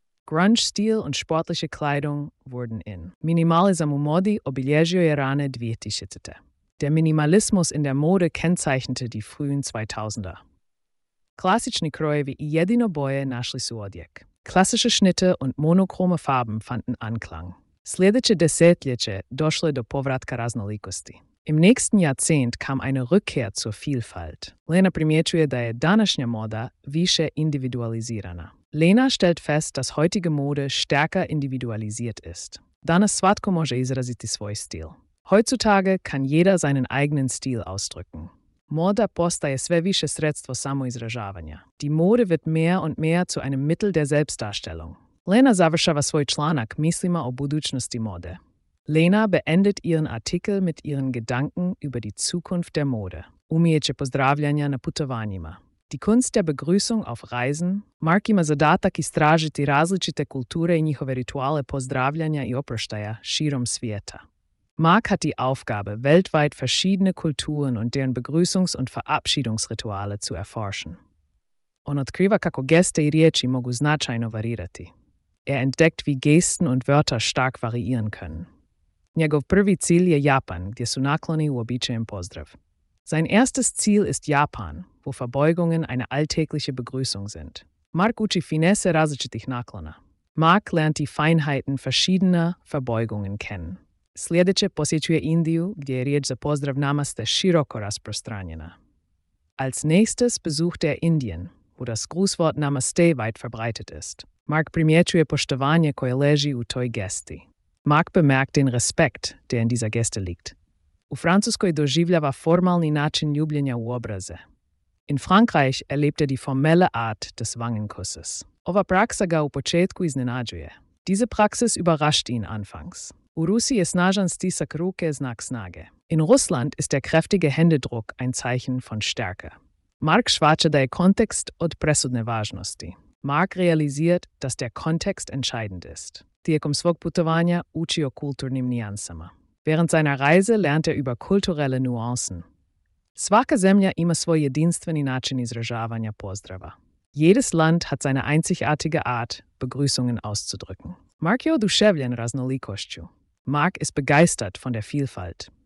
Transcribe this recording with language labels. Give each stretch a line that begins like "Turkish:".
German: Grunge-Stil und sportliche Kleidung wurden in.
Croatian: Minimalism u modi obilježio je rane 2000.
German: Der Minimalismus in der Mode kennzeichnete die frühen 2000er.
Croatian: Klassischni krojevi i jedino boje našli su odjek.
German: Klassische Schnitte und monochrome Farben fanden Anklang.
Croatian: Sljedeće desetljeće došlo je do povratka raznolikosti.
German: Im nächsten Jahrzehnt kam eine Rückkehr zur Vielfalt.
Croatian: Lena primjećuje da je današnja moda više individualizirana.
German: Lena stellt fest, dass heutige Mode stärker individualisiert ist.
Croatian: Danas svatko može izraziti svoj stil.
German: Heutzutage kann jeder seinen eigenen Stil ausdrücken.
Croatian: Moda postaje sve više sredstvo samoizražavanja.
German: Die Mode wird mehr und mehr zu einem Mittel der Selbstdarstellung.
Croatian: Lena završava svoj članak mislima o budućnosti mode.
German: Lena beendet ihren Artikel mit ihren Gedanken über die Zukunft der Mode.
Croatian: Umijeće pozdravljanja na putovanjima.
German: Die Kunst der Begrüßung auf Reisen.
Croatian: Mark ima zadatak istražiti različite kulture i njihove rituale pozdravljanja i oproštaja širom svijeta.
German: Mark hat die Aufgabe, weltweit verschiedene Kulturen und deren Begrüßungs- und Verabschiedungsrituale zu erforschen.
Croatian: On otkriva kako geste i riječi mogu značajno varirati.
German: Er entdeckt, wie Gesten und Wörter stark variieren können.
Croatian: Njegov prvi cilj je Japan, gdje su nakloni uobičajen pozdrav.
German: Sein erstes Ziel ist Japan, wo Verbeugungen eine alltägliche Begrüßung sind.
Croatian: Mark uči finesse različitih naklona.
German: Mark lernt die Feinheiten verschiedener Verbeugungen kennen.
Croatian: Sljedeće posjećuje Indiju, gdje je riječ za pozdrav namaste široko rasprostranjena.
German: Als nächstes besucht er Indien, wo das Grußwort Namaste weit verbreitet ist.
Croatian: Mark primjećuje poštovanje koje leži u toj gesti.
German: Mark bemerkt den Respekt, der in dieser Geste liegt.
Croatian: U Francuskoj doživljava formalni način ljubljenja u obraze.
German: In Frankreich erlebt er die formelle Art des Wangenkusses.
Croatian: Ova praksa ga u početku iznenađuje.
German: Diese Praxis überrascht ihn anfangs.
Croatian: U Rusiji je snažan stisak ruke znak snage.
German: In Russland ist der kräftige Händedruck ein Zeichen von Stärke.
Croatian: Mark shvaća da je kontekst od presudne važnosti.
German: Mark realisiert, dass der Kontext entscheidend ist.
Croatian: Tijekom svog putovanja uči o kulturnim nijansama.
German: Während seiner Reise lernt er über kulturelle Nuancen.
Croatian: Svaka zemlja ima svoj jedinstveni način izražavanja pozdrava.
German: Jedes Land hat seine einzigartige Art, Begrüßungen auszudrücken.
Croatian: Mark je oduševljen raznolikošću.
German: Mark ist begeistert von der Vielfalt.